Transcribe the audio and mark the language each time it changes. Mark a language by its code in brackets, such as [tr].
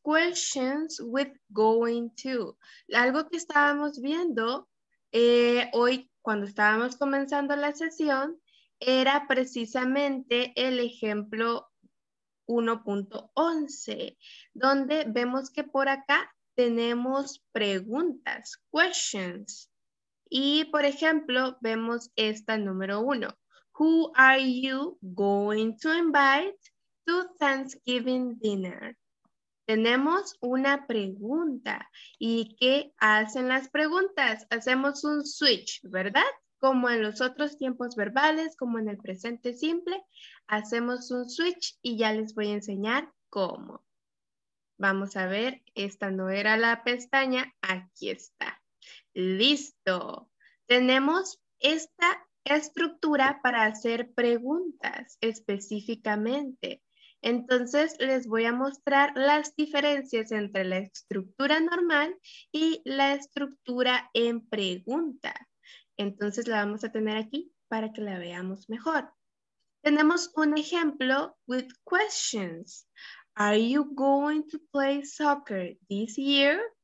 [en] Questions with going to. [es] Algo que estábamos viendo hoy cuando estábamos comenzando la sesión era precisamente el ejemplo 1.11, donde vemos que por acá tenemos preguntas, questions. Y por ejemplo, vemos esta número uno. [en] Who are you going to invite to Thanksgiving dinner? [es] Tenemos una pregunta. ¿Y qué hacen las preguntas? Hacemos un switch, ¿verdad? Como en los otros tiempos verbales, como en el presente simple, hacemos un switch y ya les voy a enseñar cómo. Vamos a ver, esta no era la pestaña, aquí está. Listo. Tenemos esta estructura para hacer preguntas específicamente. Entonces, les voy a mostrar las diferencias entre la estructura normal y la estructura en pregunta. Entonces, la vamos a tener aquí para que la veamos mejor. Tenemos un ejemplo [en] with questions. Are you going to play soccer this year?